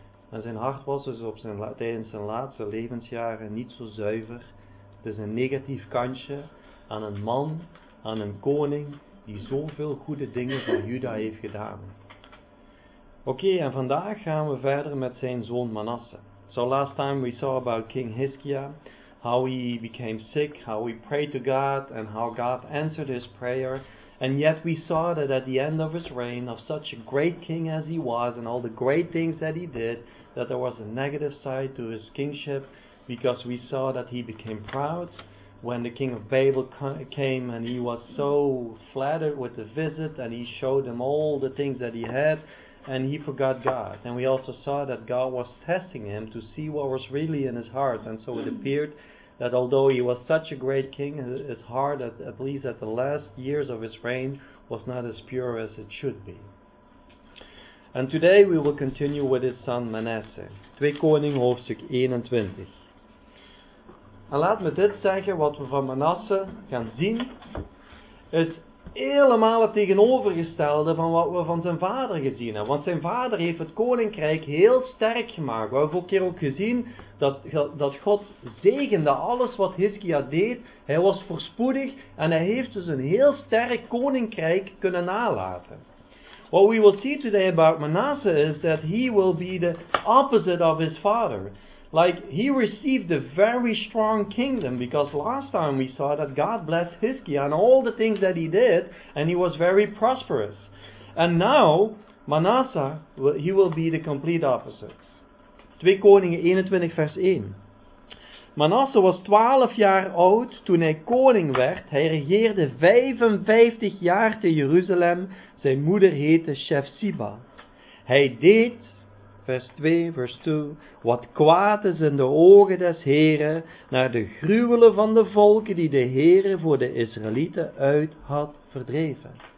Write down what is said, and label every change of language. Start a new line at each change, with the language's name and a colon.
Dutch: En zijn hart was dus tijdens zijn laatste levensjaren niet zo zuiver. Het is een negatief kantje aan een man, aan een koning, die zoveel goede dingen voor Juda heeft gedaan. Oké, en vandaag gaan we verder met zijn zoon Manasse.
English: So last time we saw about King Hiskia, how he became sick, how he prayed to God, and how God answered his prayer. And yet we saw that at the end of his reign, of such a great king as he was, and all the great things that he did, that there was a negative side to his kingship, because we saw that he became proud when the king of Babel came, and he was so flattered with the visit, and he showed him all the things that he had, and he forgot God. And we also saw that God was testing him to see what was really in his heart. And so it appeared that although he was such a great king, his heart, at least at the last years of his reign, was not as pure as it should be. And today we will continue with his son Manasseh.
Dutch: 2 Koning hoofdstuk 21. En laat me dit zeggen, wat we van Manasseh gaan zien, is helemaal het tegenovergestelde van wat we van zijn vader gezien hebben. Want zijn vader heeft het koninkrijk heel sterk gemaakt. We hebben ook keer ook gezien dat God zegende alles wat Hiskia deed. Hij was voorspoedig en hij heeft dus een heel sterk koninkrijk kunnen nalaten.
English: What we will see today about Manasseh is that he will be the opposite of his father. Like, he received a very strong kingdom, because last time we saw that God blessed Hiskia and all the things that he did, and he was very prosperous. And now, Manasseh, he will be the complete opposite.
Dutch: 2 Koningen 21 vers 1. Manasseh was 12 jaar oud toen hij koning werd. Hij regeerde 55 jaar te Jeruzalem. Zijn moeder heette Sjefsiba. Hij deed, vers 2, vers 2, wat kwaad is in de ogen des Heren, naar de gruwelen van de volken die de Heren voor de Israëlieten uit had verdreven.